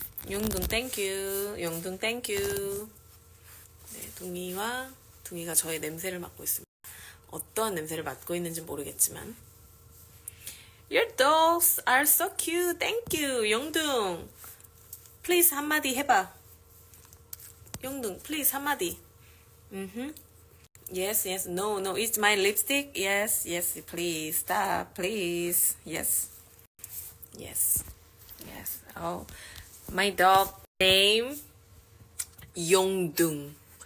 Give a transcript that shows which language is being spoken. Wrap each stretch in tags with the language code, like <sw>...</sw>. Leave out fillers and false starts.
<en>용둥, thank you, 용둥, thank you.</en> <ko>네, 둥이가 저의 냄새를 맡고 있습니다. 어떠한 냄새를 맡고 있는지 모르겠지만.</ko> <en>Your dogs are so cute, thank you, 용둥.</en> <ko>Please 한마디 해봐. 용둥, please 한마디.</ko> <en>Yes, no, no, it's my lipstick. Yes, please, stop, please. Yes. Oh, my dog name, 용둥.</en>